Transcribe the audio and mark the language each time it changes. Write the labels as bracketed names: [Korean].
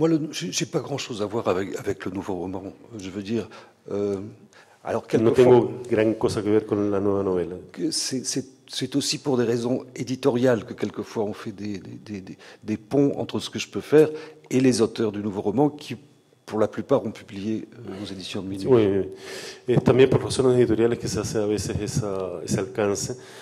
[French] J'ai pas grand-chose à voir avec le nouveau roman. Je veux dire, alors quelque chose. [Spanish] No tengo gran cosa que ver con la nueva novela. [French] C'est aussi pour des raisons éditoriales que quelquefois on fait des ponts entre ce que je peux faire et les auteurs du nouveau roman qui, pour la plupart, ont publié aux éditions de Minuit. Oui. [Spanish] Et también por razones editoriales que se hace a veces ese alcance.